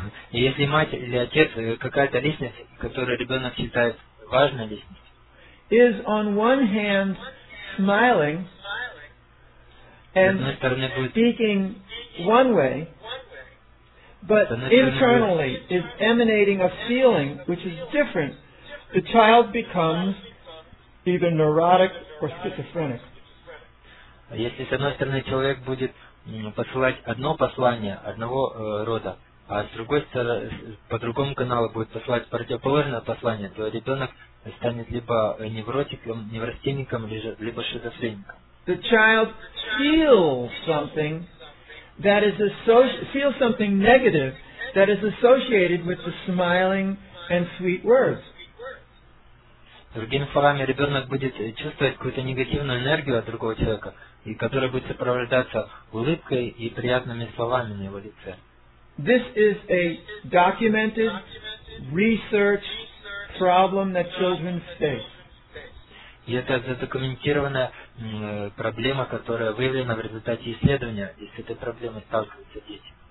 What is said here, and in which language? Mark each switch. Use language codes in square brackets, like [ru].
[ru] Если мать или отец, какая-то личность, которую ребенок считает важной личностью, [en] is on one hand smiling and speaking one way, but internally is emanating a feeling which is different, the child becomes either neurotic or schizophrenic. [ru] Если с одной стороны человек будет посылать одно послание одного рода, а с другой стороны по другому каналу будет посылать противоположное послание, то ребенок станет либо невротиком, неврастенником, либо шизофреником. [en] The child feels something negative that is associated with the smiling and sweet words. [ru] Другими словами, ребенок будет чувствовать какую-то негативную энергию от другого человека, и которая будет сопровождаться улыбкой и приятными словами на его лице. [en] This is a documented research problem that children face. [ru] И это задокументированная проблема, которая выявлена в результате исследования, и с этой проблемой сталкиваются дети.